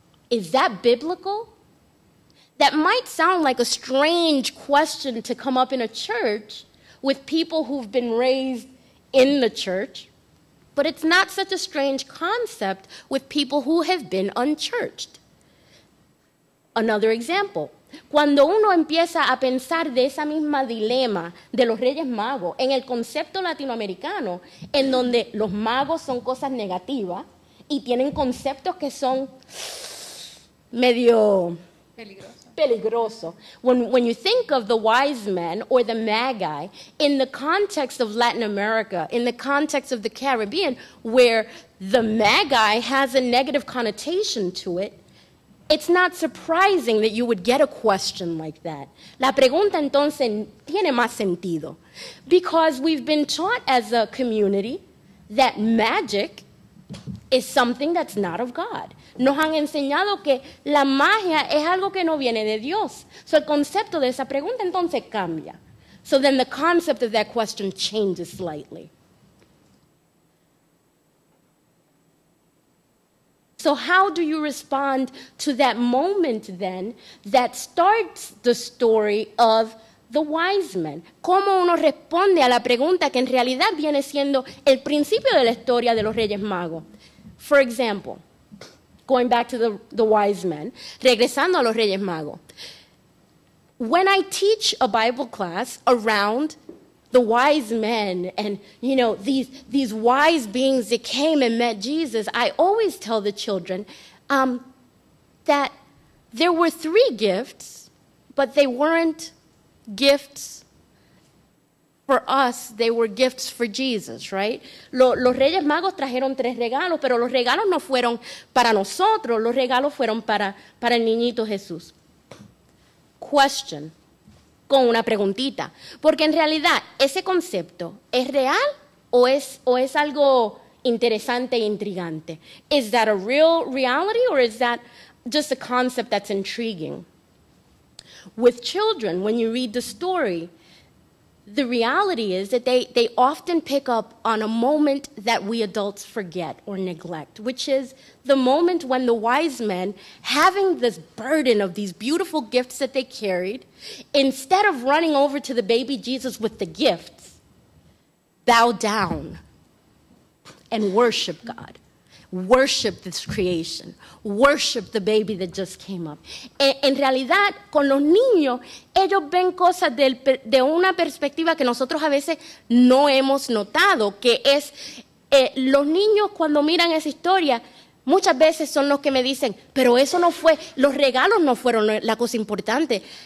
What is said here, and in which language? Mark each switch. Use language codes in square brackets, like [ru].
[en] Is that biblical? That might sound like a strange question to come up in a church with people who've been raised in the church, but it's not such a strange concept with people who have been unchurched. Another example. [es] Cuando uno empieza a pensar de esa misma dilema de los Reyes Magos en el concepto latinoamericano, en donde los magos son cosas negativas y tienen conceptos que son medio peligroso. [en] When you think of the wise men or the magi in the context of Latin America, in the context of the Caribbean, where the magi has a negative connotation to it, it's not surprising that you would get a question like that. [es] La pregunta entonces tiene más sentido. [en] Because we've been taught as a community that magic is something that's not of God. [es] Nos han enseñado que la magia es algo que no viene de Dios. [en] So [es] el concepto de esa pregunta entonces cambia. [en] So then the concept of that question changes slightly. So how do you respond to that moment then that starts the story of the wise men? [es] ¿Cómo uno responde a la pregunta que en realidad viene siendo el principio de la historia de los Reyes Magos? [en] For example, going back to the wise men, [es] regresando a los Reyes Magos. [en] When I teach a Bible class around the wise men and, you know, these wise beings that came and met Jesus, I always tell the children that there were three gifts, but they weren't gifts for us, they were gifts for Jesus, right? [es] Los Reyes Magos trajeron tres regalos, pero los regalos no fueron para nosotros, los regalos fueron para el niñito Jesús. [en] Question, [es] con una preguntita, porque en realidad ese concepto es real o es algo interesante e intrigante. [en] Is that a real reality or is that just a concept that's intriguing? With children, when you read the story, the reality is that they often pick up on a moment that we adults forget or neglect, which is the moment when the wise men, having this burden of these beautiful gifts that they carried, instead of running over to the baby Jesus with the gifts, bow down and worship God. Worship this creation. Worship the baby that just came up. [es] En realidad, con los niños, ellos ven cosas de una perspectiva que nosotros a veces no hemos notado, que es, los niños cuando miran esa historia, muchas veces son los que me dicen, pero eso no fue, los regalos no fueron la cosa importante.